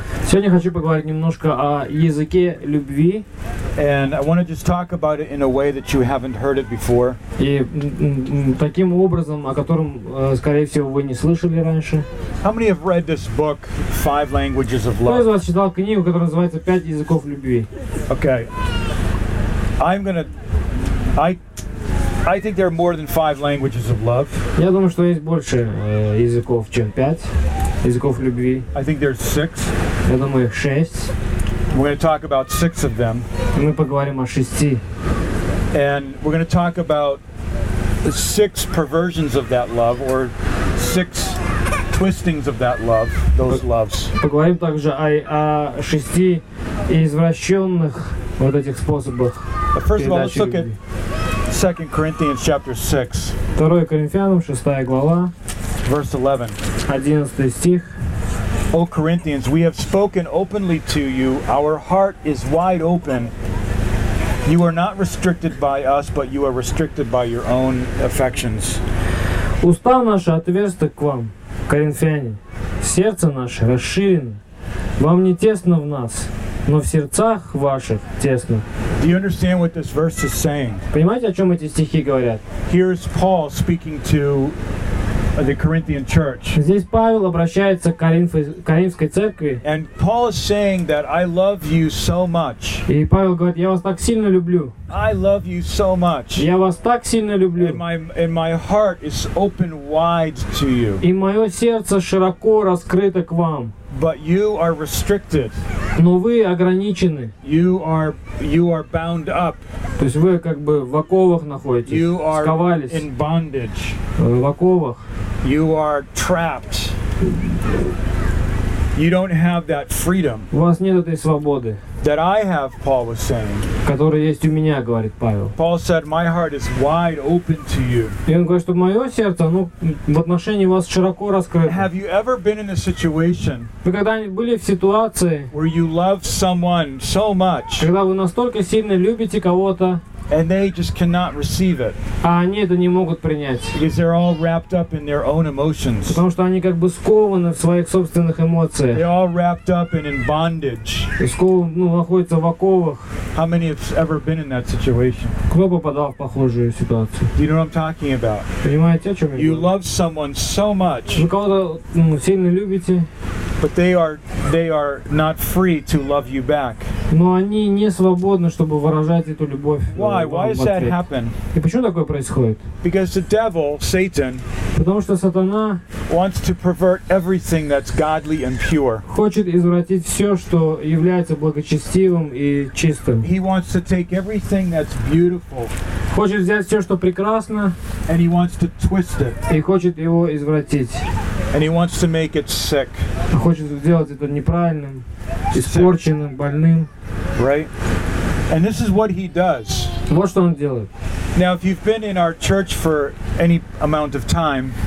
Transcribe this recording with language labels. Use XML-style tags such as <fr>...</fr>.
<ru>Сегодня хочу поговорить немножко о языке любви.</ru> <en>And I want to just talk about it in a way that you haven't heard it before.</en> <ru>И таким образом, о котором, скорее всего, вы не слышали раньше.</ru> <en>How many have read this book, Five Languages of Love?</en> <ru>Кто из вас читал книгу, которая называется «Пять языков любви»?</ru> <en>Okay. I think there are more than 5 languages of love.</en> <ru>Я думаю, что есть больше языков, чем 5 языков любви.</ru> <en>I think there's 6.</en> <ru>Я думаю, их 6.</ru> <en>We're going to talk about 6 of them.</en> <ru>Мы поговорим о 6.</ru> <en>And we're going to talk about the 6 perversions of that love, or 6 twistings of that love, those loves.</en> <ru>Поговорим также о 6 извращенных вот этих способах.</ru> <en>But first of all, let's look at 2 Corinthians chapter 6.</en> <ru>2 Коринфянам, 6 глава.</ru> <en>Verse 11.</en> <ru>11 стих.</ru> <en>O Corinthians, we have spoken openly to you. Our heart is wide open. You are not restricted by us, but you are restricted by your own affections.</en> <ru>Уста наши отверсты к вам, коринфяне. Сердце наше расширено. Вам не тесно в нас, но в сердцах ваших тесно.</ru> <en>Do you understand what this verse is saying?</en> <ru>Понимаете, о чем эти стихи говорят?</ru> <en>Here is Paul speaking to the Corinthian church.</en> <ru>Здесь Павел обращается к Коринфской церкви.</ru> <en>And Paul is saying that I love you so much.</en> <ru>И Павел говорит, я вас так сильно люблю.</ru> <en>I love you so much.</en> <ru>Я вас так сильно люблю.</ru> <en>And my heart is open wide to you.</en> <ru>И мое сердце широко раскрыто к вам.</ru> <en>But you are restricted.</en> <ru>Но вы ограничены.</ru> <en>You are bound up.</en> <ru>То есть вы как бы в оковах находитесь.</ru> <en>You are</en> <ru>сковались.</ru> <en>In bondage.</en> <ru>В оковах.</ru> <en>You are trapped. You don't have that freedom.</en> <ru>У вас нет этой свободы.</ru> <en>That I have, Paul was saying.</en> <ru>Которая есть у меня, говорит Павел.</ru> <en>Paul said, my heart is wide open to you.</en> <ru>И он говорит, что мое сердце, оно в отношении вас широко раскрыто.</ru> <en>Have you ever been in a situation?</en> <ru>Вы когда-нибудь были в ситуации?</ru> <en>Where you love someone so much?</en> <ru>Когда вы настолько сильно любите кого-то?</ru> <en>And they just cannot receive it.</en> <ru>А они это не могут принять.</ru> <en>Because they're all wrapped up in their own emotions.</en> <ru>Потому что они как бы скованы в своих собственных эмоциях.</ru> <en>They're all wrapped up and in bondage.</en> <ru>И скованы, ну, находятся в оковах.</ru> <en>How many have ever been in that situation?</en> <ru>Кто попадал в похожую ситуацию?</ru> <en>Do you know what I'm talking about?</en> <ru>Понимаете, о чем я говорю?</ru> <en>You love someone so much.</en> <ru>Вы кого-то, ну, сильно любите.</ru> <en>But they are not free to love you back.</en> <ru>Но они не свободны, чтобы выражать эту любовь.</ru> <en>Why? Why does that happen?</en> <ru>И почему такое происходит?</ru> <en>Because the devil, Satan,</en> <ru>потому что сатана</ru> <en>wants to pervert everything that's godly and pure.</en> <ru>Хочет извратить все, что является благочестивым и чистым.</ru> <en>He wants to take everything that's beautiful.</en> <ru>Хочет взять все, что прекрасно,</ru> <en>and he wants to twist it.</en> <ru>И хочет его извратить.</ru> <en>And he wants to make it sick.</en> <ru>Хочет сделать это неправильным, испорченным, больным.</ru> <en>Right? And this is what he does.</en> <ru>Вот что он делает.</ru> <en>Now, if you've been in our church for any amount of time,</en>